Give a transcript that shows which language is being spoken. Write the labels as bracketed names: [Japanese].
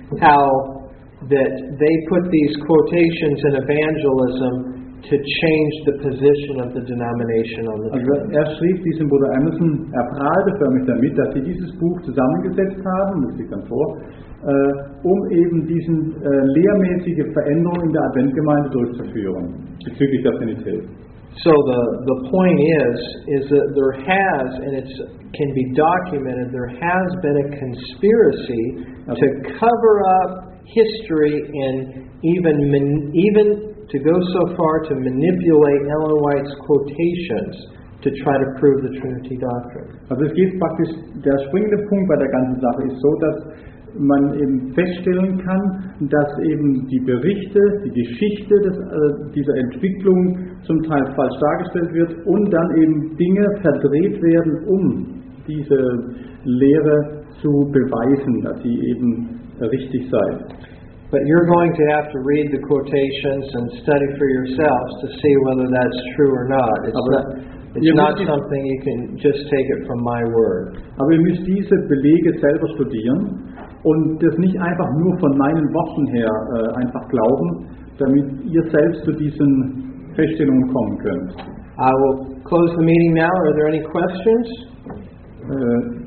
[English] How that they put these quotations in evangelism to change the position of the denomination on the Trinity. [German] Er schrieb diesem Bruder Anderson, er prahlte förmlich damit, dass sie dieses Buch zusammengesetzt haben, das liegt dann vor, um eben diesen lehrmäßige Veränderung in der Adventgemeinde durchzuführen bezüglich der Trinität. [English] So the point is that there has, and it can be documented, there has been a conspiracy to cover up history and even to go so far to manipulate Ellen White's quotations to try to prove the Trinity doctrine. [German] Also es geht praktisch, der springende Punkt bei der ganzen Sache ist so, dass man eben feststellen kann, dass eben die Berichte, die Geschichte dieser Entwicklung zum Teil falsch dargestellt wird und dann eben Dinge verdreht werden, um diese Lehre zu beweisen, dass sie eben richtig sei. [English] But you're going to have to read the quotations and study for yourselves to see whether that's true or not. It's not something you can just take it from my word. [German] Aber ihr müsst diese Belege selber studieren und das nicht einfach nur von meinen Worten her einfach glauben, damit ihr selbst zu diesen Feststellungen kommen könnt. [English] I will close the meeting now. Are there any questions?